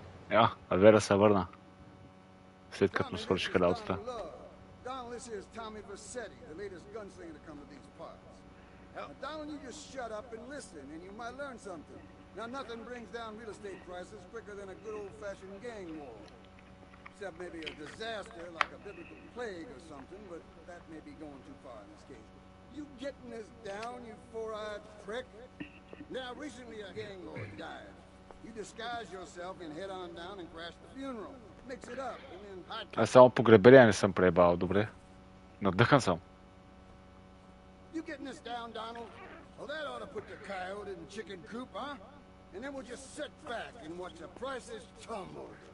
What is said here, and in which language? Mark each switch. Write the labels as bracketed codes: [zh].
[bg] Я, а Вера се върна. След като му свършиха работата. [en] Donald, this is Tommy Vercetti, the latest gunslinger to come to these parts. Now, Donald, you just shut up and listen, and you might learn something. Now, nothing brings down real estate prices quicker than a good old-fashioned gang war. Except maybe a disaster, like a biblical plague or something, but that may be going too far in this case. You getting this down, you four-eyed prick? Now, recently a gang lord died. You disguise yourself and head on down and crash the funeral. Mix it up, and then hide... [bg] Аз само погребение не съм пребал, добре? Надъхан съм. [en] You getting this down, Donald? Well, that ought to put the coyote in chicken coop, huh? And then we'll just sit back and watch the prices tumble.